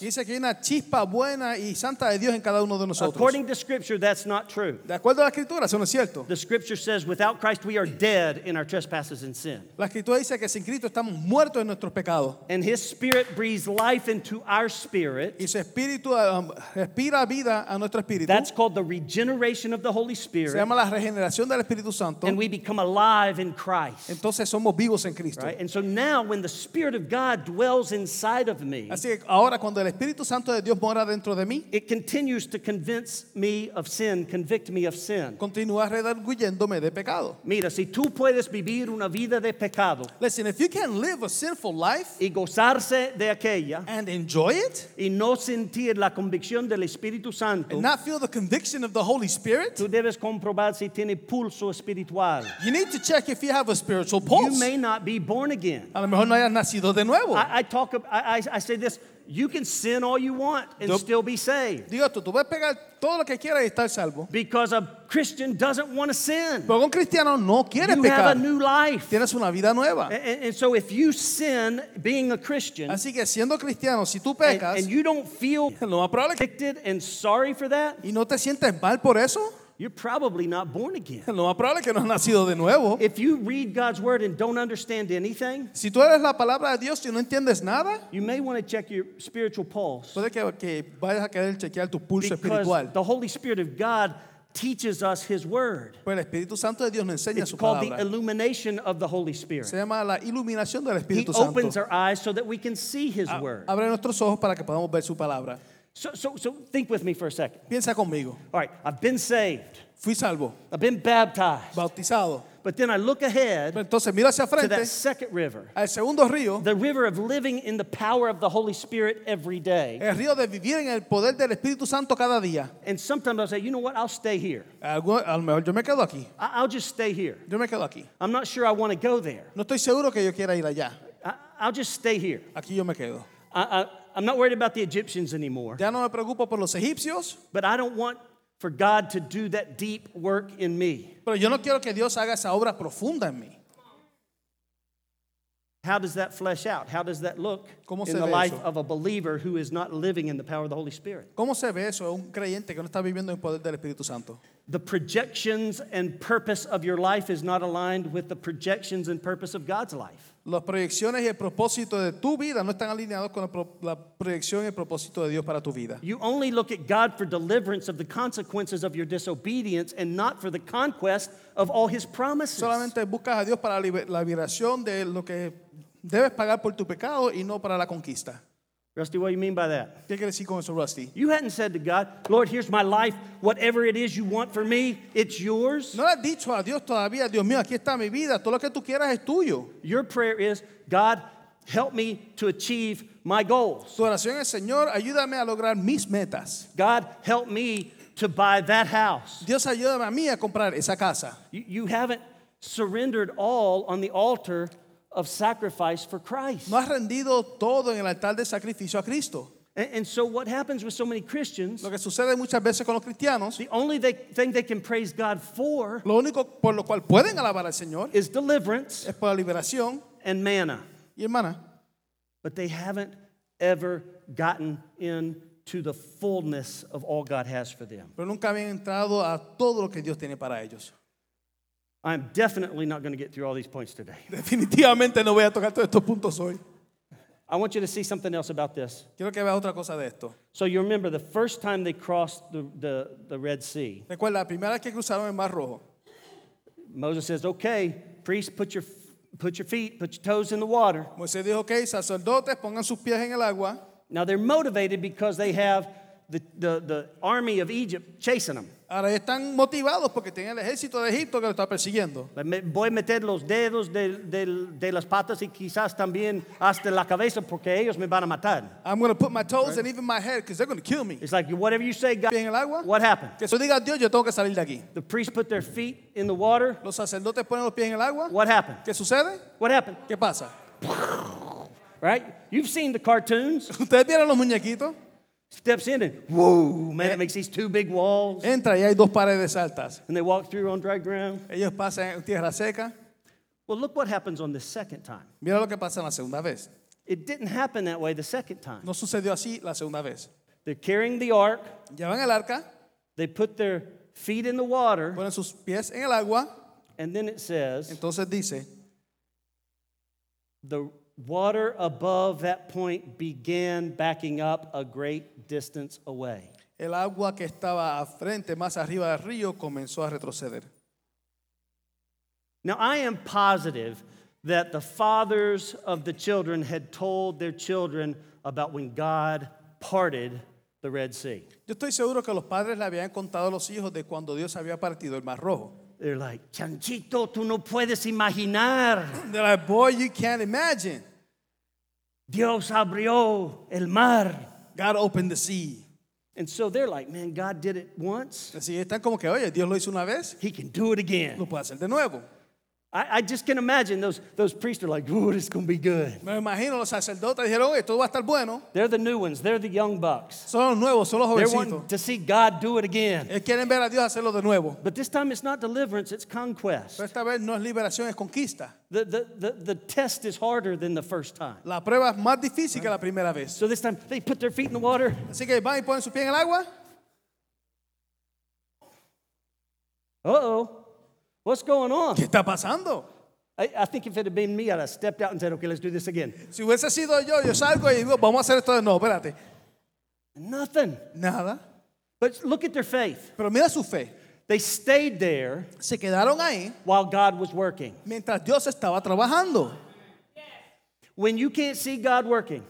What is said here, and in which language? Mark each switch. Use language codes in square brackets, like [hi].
[es] Dice que hay una chispa buena y santa de Dios en cada uno de nosotros. [en] According to scripture, that's not true. [es] De acuerdo a la escritura, eso no es cierto. [en] The scripture says without Christ we are dead in our trespasses and sin. [es] La escritura dice que sin Cristo estamos muertos en nuestros pecados. [en] And his spirit breathes life into our spirit. [es] Y su espíritu respira vida a nuestro espíritu. [en] That's called the regeneration of the Holy Spirit. [es] Se llama la regeneración del Espíritu Santo. [en] And we become alive in Christ. [es] Entonces somos vivos en Cristo. [en] Right? And so now when the Spirit of God dwells inside of me, [es] así que ahora cuando el Espíritu Santo de Dios mora dentro de mí, [en] it continues to convince me of sin, convict me of sin. [es] Continúa redarguyéndome de pecado. Mira, si tú puedes vivir una vida de pecado, [en] listen, if you can live a sinful life, [es] y gozarse de aquella, [en] and enjoy it, [es] y no sentir la convicción del Espíritu Santo, [en] and not feel the conviction of the Holy Spirit, [es] tú debes comprobar si tiene pulso espiritual. [en] You need to check if you have a spiritual pulse. You may not be born again. [es] A lo mejor no hayas nacido de nuevo. [en] I say this. You can sin all you want and still be saved. [es] Digo esto, tú puedes pegar todo lo que quieras y estar salvo. [en] Because a Christian doesn't want to sin. [es] Pero un cristiano no quiere [en] you [es] pecar. [en] You have a new life. [es] Tienes una vida nueva. [en] And so if you sin being a Christian, [es] así que siendo cristiano, si tú pecas, [en] and you don't feel convicted and sorry for that, [es] y no te sientes mal por eso, [en] you're probably not born again. [es] Lo más probable es que no has nacido de nuevo. [en] If you read God's word and don't understand anything, [es] si tú eres la palabra de Dios y no entiendes nada, [en] you may want to check your spiritual pulse. [es] Puede que vayas a querer chequear tu pulso espiritual. [en] Because the Holy Spirit of God teaches us his word. [es] El Espíritu Santo de Dios nos enseña su palabra. [en] It's called the illumination of the Holy Spirit. [es] Se llama la iluminación del Espíritu [en] Santo. He opens our eyes so that we can see his word. [es] Abre nuestros ojos para que podamos ver su palabra. [en] So think with me for a second. [es] Piensa conmigo. [en] All right, I've been saved. [es] Fui salvo. [en] I've been baptized. [es] Bautizado. [en] But then I look ahead. [es] Pero entonces miro hacia frente. [en] To that second river. [es] Al segundo río. [en] The river of living in the power of the Holy Spirit every day. [es] El río de vivir en el poder del Espíritu Santo cada día. [en] And sometimes I'll say, you know what? I'll stay here. [es] A lo mejor yo me quedo aquí. [en] I'll just stay here. [es] Yo me quedo aquí. [en] I'm not sure I want to go there. [es] No estoy seguro que yo quiera ir allá. [en] I'll just stay here. [es] Aquí yo me quedo. [en] I'm not worried about the Egyptians anymore. [es] Ya no me preocupo por los egipcios. [en] But I don't want for God to do that deep work in me. [es] Pero yo no quiero que Dios haga esa obra profunda en mí. [en] How does that flesh out? How does that look in the life of a believer who is not living in the power of the Holy Spirit? [es] ¿Cómo se ve eso un creyente que no está viviendo en el poder del Espíritu Santo? [en] The projections and purpose of your life is not aligned with the projections and purpose of God's life. [es] Las proyecciones y el propósito de tu vida no están alineados con la proyección y el propósito de Dios para tu vida. [en] You only look at God for deliverance of the consequences of your disobedience and not for the conquest of all his promises. [es] Solamente buscas a Dios para la liberación de lo que debes pagar por tu pecado y no para la conquista. [en] Rusty, what do you mean by that? [es] ¿Qué quiere decir con eso, Rusty? [en] You hadn't said to God, Lord, here's my life. Whatever it is you want for me, it's yours. [es] No le has dicho a Dios todavía, Dios mío, aquí está mi vida. Todo lo que tú quieras es tuyo. [en] Your prayer is, God, help me to achieve my goals. [es] Tu oración es, Señor, ayúdame a lograr mis metas. [en] God, help me to buy that house. [es] Dios, ayúdame a mí a comprar esa casa. [en] You haven't surrendered all on the altar of sacrifice for Christ. [es] No has rendido todo en el altar de sacrificio a Cristo. [en] And so what happens with so many Christians, [es] lo que sucede muchas veces con los cristianos, [en] the only thing they can praise God for, [es] lo único por lo cual pueden alabar al Señor, [en] is deliverance, [es] es por la liberación, [en] and manna. [es] Y el maná. [en] But they haven't ever gotten into the fullness of all God has for them. [es] Pero nunca habían entrado a todo lo que Dios tiene para ellos. [en] I'm definitely not going to get through all these points today. [es] Definitivamente no voy a tocar todos estos puntos hoy. [en] I want you to see something else about this. [es] Quiero que veas otra cosa de esto. [en] So you remember the first time they crossed the Red Sea. [es] Recuerda la primera vez que cruzaron el Mar Rojo. [en] Moses says, "Okay, priests, put your toes in the water." [es] Moisés dijo, "Okay, sacerdotes, pongan sus pies en el agua." [en] Now they're motivated because they have the army of Egypt chasing them. [es] Ahora están motivados porque tienen el ejército de Egipto que lo está persiguiendo. Voy a meter los dedos de las patas y quizás también hasta la cabeza porque ellos me van a matar. [en] I'm going to put my toes right. And even my head because they're going to kill me. It's like whatever you say, God. [es] En el agua. [en] What happened? [es] Que eso diga Dios, yo tengo que salir de aquí. [en] The priests put their feet in the water. [es] Los sacerdotes ponen los pies en el agua. [en] What happened? [es] ¿Qué sucede? [en] What happened? [es] ¿Qué pasa? [en] Right? You've seen the cartoons. [es] ¿Ustedes vieron los muñequitos? [en] Steps in and whoa, man, it makes these two big walls. [es] Entra y hay dos paredes altas. [en] And they walk through on dry ground. [es] Ellos pasan en tierra seca. [en] Well, look what happens on the second time. [es] Mira lo que pasa en la segunda vez. [en] It didn't happen that way the second time. [es] No sucedió así la segunda vez. [en] They're carrying the ark. [es] Llevan el arca. [en] They put their feet in the water. [es] Ponen sus pies en el agua. [en] And then it says, [es] entonces dice, [en] the water above that point began backing up a great distance away. [es] El agua que estaba a frente, más arriba del río, comenzó a retroceder. [en] Now I am positive that the fathers of the children had told their children about when God parted the Red Sea. [es] Yo estoy seguro que los padres le habían contado a los hijos de cuando Dios había partido el Mar Rojo. [en] They're like, [es] Chanchito, tú no puedes imaginar. [en] They're like, boy, you can't imagine. [es] Dios abrió el mar. [en] God opened the sea. And so they're like, man, God did it once. [es] Así están como que, oye, Dios lo hizo una vez. [en] He can do it again. [es] Lo puede hacer de nuevo. [en] I just can imagine those priests are like, ooh, this is going to be good. [es] Me imagino los sacerdotes dijeron, oye, todo va a estar bueno. [en] They're the new ones. They're the young bucks. [es] Son los nuevos, son los jovencitos. [en] They're wanting to see God do it again. [es] Quieren ver a Dios hacerlo de nuevo. [en] But this time it's not deliverance, it's conquest. [es] Pero esta vez no es liberación, es conquista. [en] The test is harder than the first time. [es] La prueba es más difícil que la primera vez. [en] So this time they put their feet in the water. [es] Así que van y ponen sus pies en el agua. [en] Uh-oh. What's going on? [es] ¿Qué está pasando? [en] I think if it had been me, I'd have stepped out and said, okay, let's do this again. [es] Si hubiese sido yo, yo salgo y digo, vamos a hacer esto de nuevo, espérate. [en] Nothing. [es] Nada. [en] But look at their faith. [es] Pero mira su fe. [en] They stayed there. [es] Se quedaron ahí. [en] While God was working. [es] Mientras Dios estaba trabajando. [en] When you can't see God working.